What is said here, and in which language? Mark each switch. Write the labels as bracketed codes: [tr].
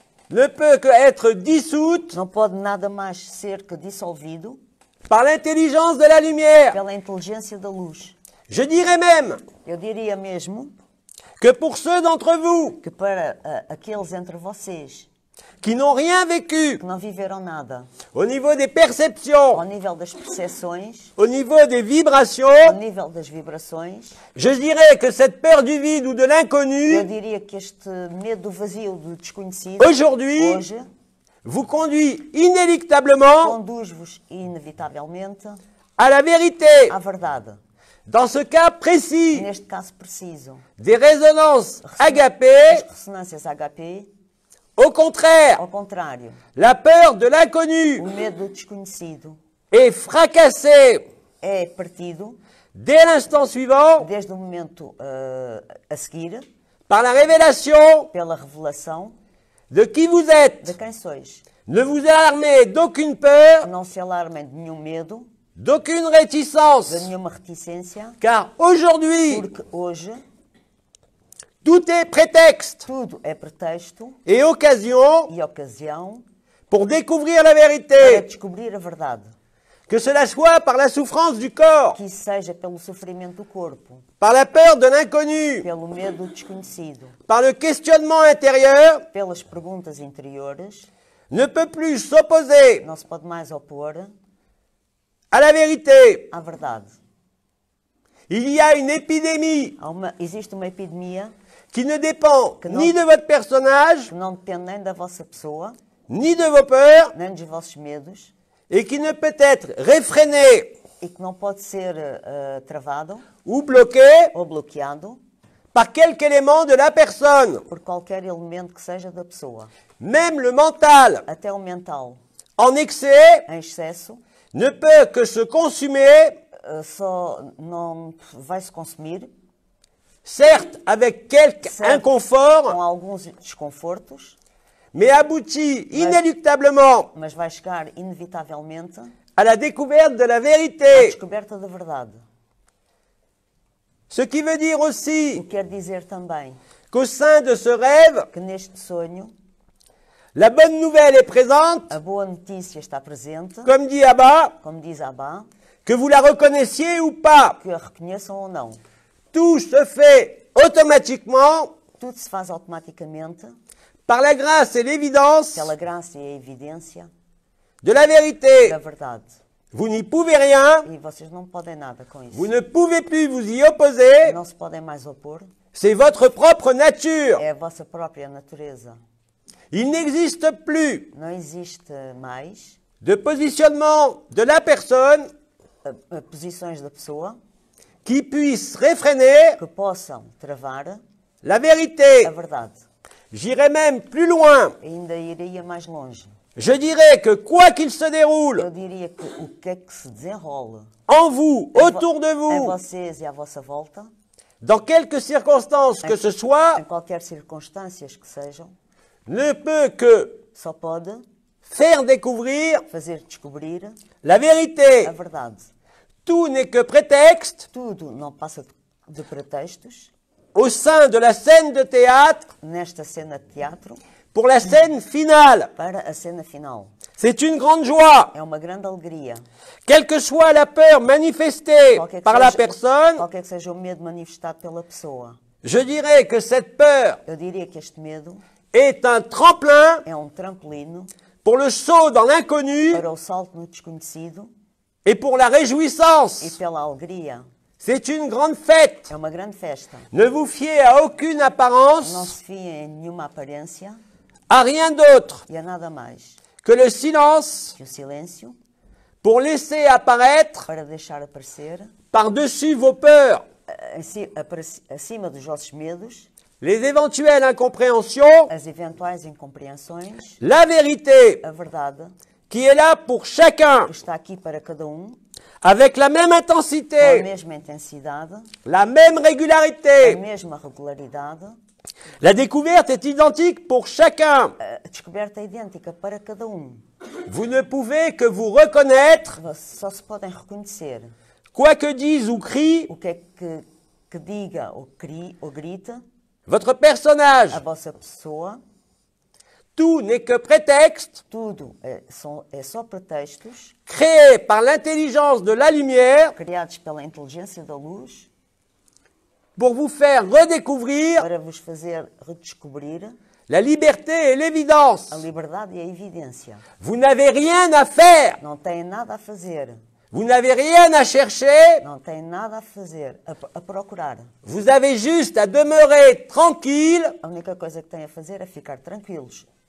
[fr] Ne peut que être dissoute. [pt] Não pode nada mais ser que dissolvido. [fr] Par l'intelligence de la lumière. [pt] Pela inteligência da luz. [fr] Je dirais même. [pt] Eu diria mesmo. [fr] Que pour ceux d'entre vous. [pt] Que para aqueles entre vocês. [fr] Qui n'ont rien vécu. [pt] Que não viveram nada. [fr] Au niveau des perceptions. [pt] Ao nível das percepções. [fr] Au niveau des vibrations. [pt] Ao nível das vibrações. [fr] Je dirais que cette peur du vide ou de l'inconnu. [pt] Eu diria que este medo do vazio do desconhecido. [fr] Aujourd'hui. [pt] Hoje. [fr] Vous conduit inéluctablement. [pt] Conduz-vos inevitavelmente. [fr] À la vérité. [pt] À verdade. [fr] Dans ce cas précis. [pt] Neste caso preciso. [fr] Des résonances HP. [pt] As ressonâncias HP. [fr] Au contraire, [pt] au contrario, [fr] la peur de l'inconnu, [pt] o medo do desconhecido, [fr] est fracassé, [pt] é partido, [fr] dès l'instant suivant, [pt] desde o momento a seguir, [fr] par la révélation, [pt] pela revelação, [fr] de qui vous êtes, [pt] de quem sois, [fr] ne vous alarmez d'aucune peur, [pt] não se alarmem de nenhum medo, [fr] d'aucune réticence, [pt] de nenhuma reticência, [fr] car aujourd'hui, [pt] porque hoje, [fr] Tout est prétexte. [pt] Tudo é pretexto. [fr] Et occasion. [pt] E ocasião. [fr] Pour découvrir la vérité. [pt] Para descobrir a verdade. [fr] Que cela soit par la souffrance du corps. [pt] Que seja pelo sofrimento do corpo. [fr] Par la peur de l'inconnu. [pt] Pelo medo do desconhecido. [fr] Par le questionnement intérieur. [pt] Pelas perguntas interiores. [fr] Ne peut plus s'opposer. [pt] Não se pode mais opor. [fr] À la vérité. [pt] À verdade. [fr] Il y a une épidémie. [pt] Existe uma epidemia. [fr] Qui ne dépend ni de votre personnage. [pt] Que não depende nem da vossa pessoa. [fr] Ni de vos peurs. [pt] Nem dos vossos medos. [fr] Et qui ne peut être réfréné. [pt] E que não pode ser travado. [fr] Ou bloqué. [pt] Ou bloqueado. [fr] Par quelque élément de la personne. [pt] Por qualquer elemento que seja da pessoa. [fr] Même le mental. [pt] Até o mental. [fr] En excès. [pt] Em excesso. [fr] Ne peut que se consumer. [pt] Só não vai se consumir. [fr] Certes, avec quelque inconfort. [pt] Com alguns desconfortos. [fr] Mais aboutit inéluctablement. [pt] Mas vai chegar inevitavelmente. [fr] À la découverte de la vérité. [pt] À descoberta da verdade. [fr] Ce qui veut dire aussi. [pt] O que quer dizer também. [fr] Qu'au sein de ce rêve. [pt] Que neste sonho. [fr] La bonne nouvelle est présente. [pt] A boa notícia está presente. [fr] Comme dit Abba. [pt] Como diz Abba. [fr] Que vous la reconnaissiez ou pas. [pt] Que a reconheçam ou não. [fr] Tout se fait automatiquement. [pt] Tudo se faz automaticamente. [fr] Par la grâce et l'évidence. [pt] Pela graça e a evidência. [fr] De la vérité. [pt] Da verdade. [fr] Vous n'y pouvez rien. [pt] E vocês não podem nada com isso. [fr] Vous ne pouvez plus vous y opposer. [pt] Não se podem mais opor. [fr] C'est votre propre nature. [pt] É a vossa própria natureza. [fr] Il n'existe plus. [pt] Não existe mais. [fr] De positionnement de la personne. [pt] Posições da pessoa. [fr] Qui puisse réfréner. [pt] Que possam travar. [fr] La vérité. [pt] A verdade. [fr] J'irai même plus loin. [pt] Ainda iria mais longe. [fr] Je dirais que quoi qu'il se déroule. [pt] Eu diria que o que é que se desenrole. [fr] En vous, autour de vous. [pt] Em vocês e à vossa volta. [fr] Dans quelques circonstances que ce soit. [pt] Em qualquer circunstâncias que sejam. [fr] Ne peut que. [pt] Só pode. [fr] Faire découvrir. [pt] Fazer descobrir. [fr] La vérité. [pt] A verdade. [fr] Tout n'est que prétexte. [pt] Tudo não passa de pretextos. [fr] Au sein de la scène de théâtre. [pt] Nesta cena de teatro. [fr] Pour la scène finale. [pt] Para a cena final. [fr] C'est une grande joie. [pt] É uma grande alegria. [fr] Quelle que soit la peur manifestée par la personne. [pt] Qualquer que seja o medo manifestado pela pessoa. [fr] Je dirais que cette peur. [pt] Eu diria que este medo. [fr] Est un tremplin. [pt] É um trampolino. [fr] Pour le saut dans l'inconnu. [pt] Para o salto no desconhecido. [fr] Et pour la réjouissance. [pt] E pela alegria. [fr] C'est une grande fête. [pt] É uma grande festa. [fr] Ne vous fiez à aucune apparence. [pt] Não se fie em nenhuma aparência. [fr] À rien d'autre. [pt] E a nada mais. [fr] Que le silence. [pt] Que o silêncio. [fr] Pour laisser apparaître. [pt] Para deixar aparecer. [fr] Par-dessus vos peurs. [pt] Acima dos vossos medos. [fr] Les éventuelles incompréhensions. [pt] As eventuais incompreensões. [fr] La vérité. [pt] A verdade. [fr] Qui est là pour chacun. [pt] Que está aqui para cada um. [fr] Avec la même intensité. [pt] A mesma intensidade. [fr] La même régularité. [pt] A mesma regularidade. [fr] La découverte est identique pour chacun. [pt] A descoberta é idêntica para cada um. [fr] Vous ne pouvez que vous reconnaître. [pt] Só se podem reconhecer. [fr] Quoi que dise ou crie. [pt] O que é que diga ou crie ou grite. [fr] Votre personnage. [pt] A vossa pessoa. [fr] Tout n'est que prétexte. [pt] Tudo é só pretextos. [fr] Créé par l'intelligence de la lumière. [pt] Criados pela inteligência da luz. [fr] Pour vous faire redécouvrir. [pt] Para vos fazer redescobrir. [fr] La liberté et l'évidence. [pt] A liberdade e a evidência. [fr] Vous n'avez rien à faire. [pt] Não têm nada a fazer. [fr] Vous n'avez rien à chercher. [pt] Não têm nada a fazer, a procurar. [fr] Vous avez juste à demeurer tranquille. [pt] A única coisa que têm a fazer é ficar tranquilos.